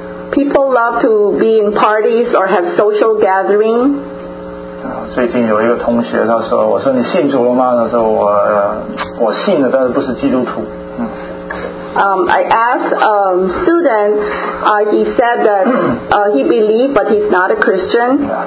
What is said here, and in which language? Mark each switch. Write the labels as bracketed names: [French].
[English] People love to be in parties or have social gathering. [Chinese] 最近有一个同学他说，我说你信主了吗？他说我信了，但是不是基督徒。 [English] I asked a student, he said that he believed, but he's not a Christian.